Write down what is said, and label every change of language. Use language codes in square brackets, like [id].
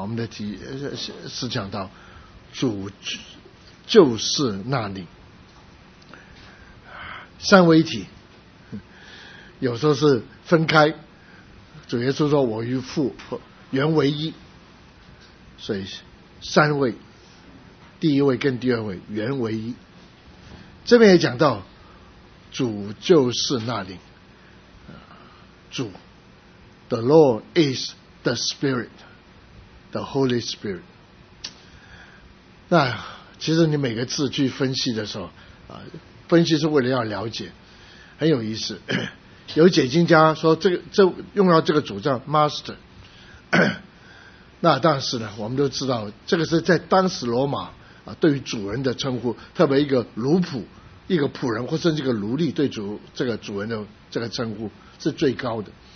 [zh] 我们的题是讲到主就是那里，三位一体。有时候是分开，主耶稣说我与父原为一，所以三位，第一位跟第二位原为一。这边也讲到主就是那灵，主 [en] The Lord is the Spirit, the Holy Spirit。 [zh] 那其实你每个字去分析的时候，分析是为了要了解，很有意思。有解经家说这用到这个主叫 Master。那但是呢，我们都知道这个是在当时罗马啊，对于主人的称呼，特别一个奴仆、一个仆人或甚至一个奴隶，对主人的这个称呼是最高的。